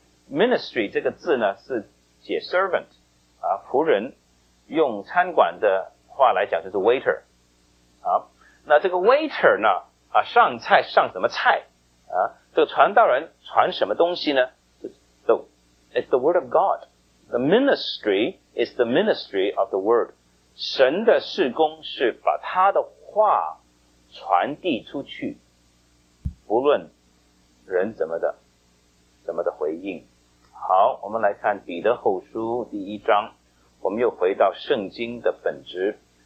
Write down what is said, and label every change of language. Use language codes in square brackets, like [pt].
[zh] ministry 这个字呢是解 servant 仆人，用餐馆的话来讲就是 waiter 那这个 waiter 呢上菜上什么菜这个传道人传什么东西呢？ [en] It's the word of God， The ministry is the ministry of the word. [zh] 神的事工是把他的话传递出去，不论人怎么的回应。好，我们来看彼得后书第一章，我们又回到圣经的本质。